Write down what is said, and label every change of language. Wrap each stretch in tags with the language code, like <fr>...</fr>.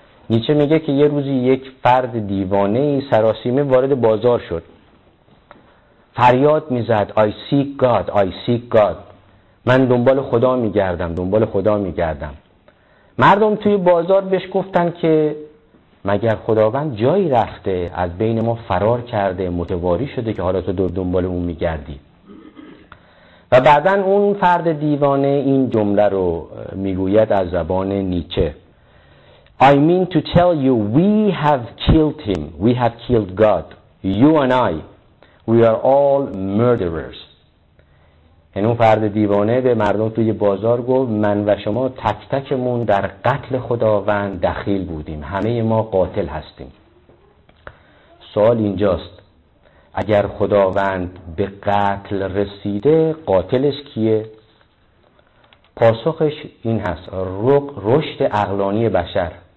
<fa>نیچه میگه که یه روزی یک فرد دیوانه سراسیمه وارد بازار شد، فریاد میزد</fa> <en>I seek God،</en> <fa>من دنبال خدا میگردم، دنبال خدا میگردم. مردم توی بازار بهش گفتن که مگر خداوند جایی رفته، از بین ما فرار کرده، متواری شده که حالا تو دنبال اون میگردی. و بعدن اون فرد دیوانه این جمله رو میگوید از زبان نیچه،</fa> <en>I mean to tell you we have killed him, we have killed God, you and I, we are all murderers.</en> <fa>این اون فرد دیوانه به مردم توی بازار گفت من و شما تک تکمون در قتل خداوند دخیل بودیم، همه ما قاتل هستیم. سوال اینجاست، اگر خداوند به قتل رسیده قاتلش کیه؟ پاسخش این هست، رشد عقلانی بشر.</fa>